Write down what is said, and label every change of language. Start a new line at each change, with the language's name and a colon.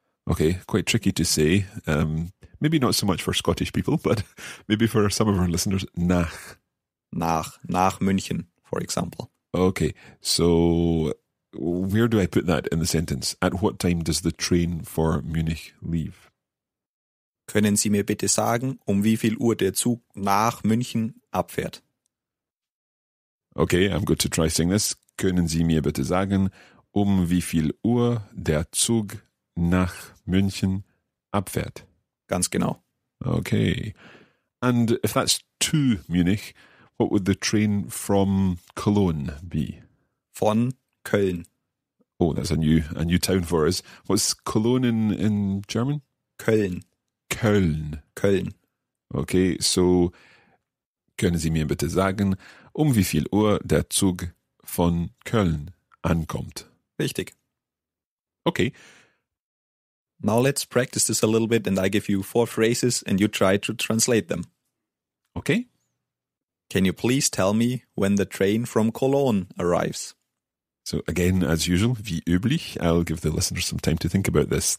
English: Okay, quite tricky to say. Maybe not so much for Scottish people, but maybe for some of our listeners, nach. Nach München, for example. Okay, so where do I put that in the sentence? At what time does the train for Munich leave?
German: Können Sie mir bitte sagen, wie viel Uhr der Zug nach München abfährt?
English: Okay, I'm going to try saying this.
German: Können Sie mir bitte sagen, wie viel Uhr der Zug nach München abfährt? Ganz genau.
English: Okay. And if that's to Munich, what would the train from Cologne be?
German: Von Köln.
English: Oh, that's a new town for us. What's Cologne in German?
German: Köln. Köln. Köln. Okay, so können Sie mir bitte sagen, wie viel Uhr der Zug von Köln ankommt? Richtig.
English: Okay. Now let's practice this a little bit and I give you four phrases and you try to translate them. Okay. Can you please tell me when the train from Cologne arrives? So again, as usual,
German: wie üblich,
English: I'll give the listeners some time to think about this.